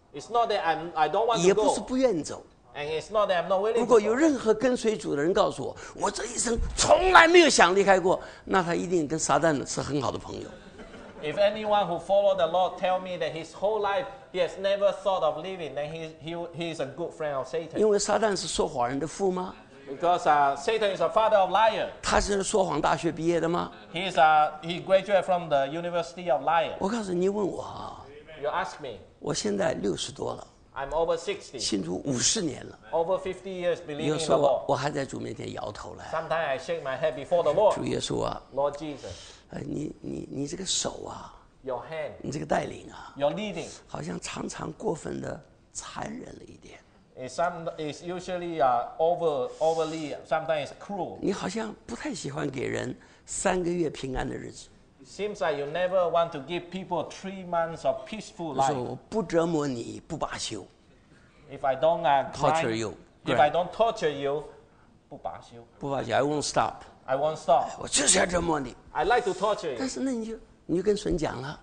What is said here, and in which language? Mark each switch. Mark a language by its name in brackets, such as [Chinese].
[English] ，It's not that I don't want to go. [Chinese] 也不是不愿走。 [English] And it's not that I'm not willing. [Chinese] 如果有任何跟随主的人告诉我，我这一生从来没有想离开过，那他一定跟撒旦是很好的朋友。 [English] If anyone who followed the Lord tell me that his whole life he has never thought of leaving, then he is a good friend of Satan. [Chinese] 因为撒旦是说谎人的父吗 [English] ？Because Satan is a father of liar. [Chinese] 他是说谎大学毕业的吗 [English] ？He graduated from the University of Liar. [Chinese] 我告诉你，问我啊。 [English] You ask me. [Chinese] 我现在六十多了。 [English] I'm over 60. [Chinese] 信主五十年了。 [English] Over 50 years believing in the Lord. [Chinese] 有时候我还在主面前摇头了。 [English] Sometimes I shake my head before the Lord. [Chinese] 主耶稣啊。 [English] Lord Jesus. [Chinese] 你这个手啊。 [English] Your hand. [Chinese] 你这个带领啊。 [English] Your leading. [Chinese] 好像常常过分的残忍了一点。 [English] It's usually overly, sometimes cruel. [Chinese] 你好像不太喜欢给人三个月平安的日子。 [English] seems like you never want to give people 3 months of peaceful life. [Chinese] 说我不折磨你，不罢休。 [English] If I don't torture you, if I don't torture you, [Chinese] 不罢休。不罢休 [English] ，I won't stop. I won't stop. [Chinese] 我就是要折磨你。 [English] I like to torture you. [Chinese] 但是那你就跟神讲了。